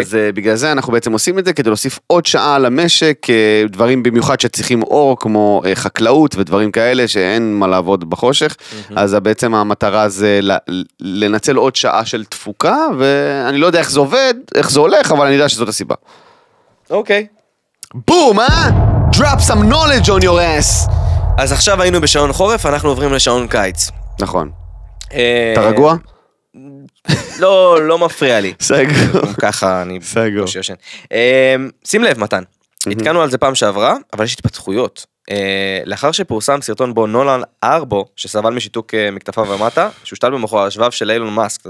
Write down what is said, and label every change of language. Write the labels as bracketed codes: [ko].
[he] אז בגלל זה אנחנו בעצם עושים את זה, כדי להוסיף עוד שעה למשק, דברים במיוחד שצריכים אור, כמו חקלאות ודברים כאלה, שאין מה לעבוד בחושך, אז בעצם המטרה זה לנצל עוד שעה של תפוקה, ואני לא יודע איך זה עובד, איך זה הולך, אבל אני יודע שזאת הסיבה. אוקיי. בום, אה? [en] Drop some knowledge on your ass! [he] אז עכשיו היינו בשעון חורף, אנחנו עוברים לשעון קיץ. נכון. אתה רגוע? לא, לא מפריע לי. סגור. ככה אני... סגור. שים לב, מתן. התקנו על זה פעם שעברה, אבל יש התפתחויות. לאחר שפורסם סרטון בו נולן ארבו, שסבל משיתוק מכתפה ומטה, שהושתל במוחו השבב של אילון מאסק.